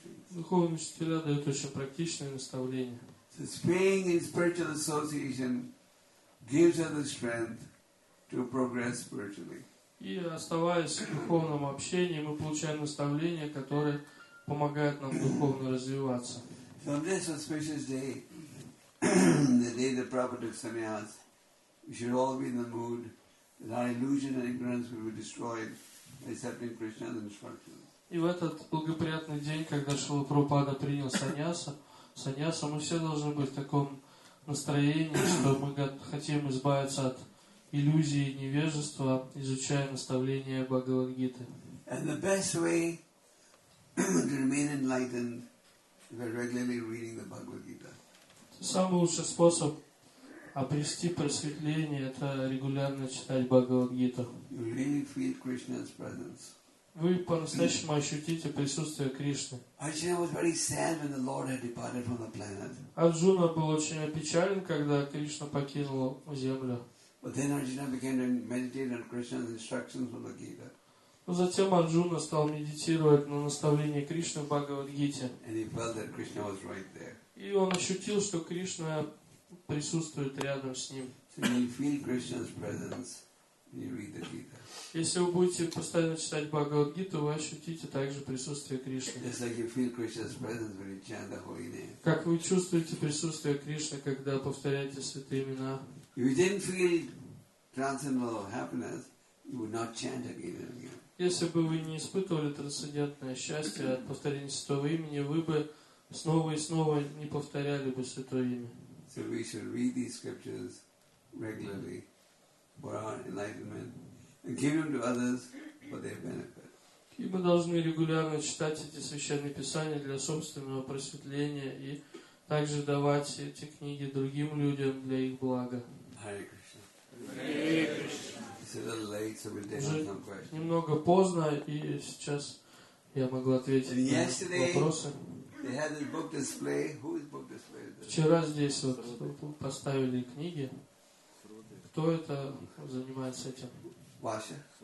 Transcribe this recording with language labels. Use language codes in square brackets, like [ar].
[ru] Духовные учителя дают очень практичные наставления. [en] So staying in spiritual association gives us the strength to progress spiritually. [ru] И оставаясь в духовном общении, мы получаем наставления, которые помогают нам духовно развиваться. [en] So on this auspicious day, the day the Prabhupada took sannyas, we should all be in the mood that our illusion and ignorance will be destroyed accepting Krishna's instructions. [ru] И в этот благоприятный день, когда Шрила Прабхупада принял саньяса, мы все должны быть в таком настроении, что мы хотим избавиться от иллюзии и невежества, изучая наставления Бхагавад-гиты. [en] And the best way to remain enlightened is by regularly reading the Bhagavad Gita. [ru] Самый лучший способ Обрести просветление — это регулярно читать Бхагавад-гиту. [en] You really feel Krishna's presence. [ru] Вы по-настоящему ощутите присутствие Кришны. [en] Arjuna was very sad when the Lord had departed from the planet. [ru] Арджуна был очень опечален, когда Кришна покинул землю. [en] But then Arjuna began to meditate on Krishna's instructions from the Gita. [ru] Но затем Арджуна стал медитировать на наставление Кришны в Бхагавад-гите. [en] And he felt that Krishna was right there. [ru] И он ощутил, что Кришна присутствует рядом с ним. [en] So you feel Krishna's presence. You read the Gita. [ru] Если вы будете постоянно читать Бхагавад-гиту, вы ощутите также присутствие Кришны. [en] Just like you feel Krishna's presence when you chant the holy name. [ru] Как вы чувствуете присутствие Кришны, когда повторяете святые имена? [en] If you didn't feel transcendental happiness, you would not chant again and again. [ru] Если бы вы не испытывали трансцендентное счастье от повторения святого имени, вы бы снова и снова не повторяли бы святое имя. [en] So we should read these scriptures regularly for our enlightenment and give them to others for their benefit. [ru] И мы должны регулярно читать эти священные писания для собственного просветления и также давать эти книги другим людям для их блага. [en] Hare Krishna. Hare Krishna. It's a little late, so we'll take some questions. [ru] Немного поздно, и сейчас я могу ответить на вопросы. [en] They had this book display. Whose book display is this? [ru] Вчера здесь вот поставили книги. Кто это занимается этим? Ваша.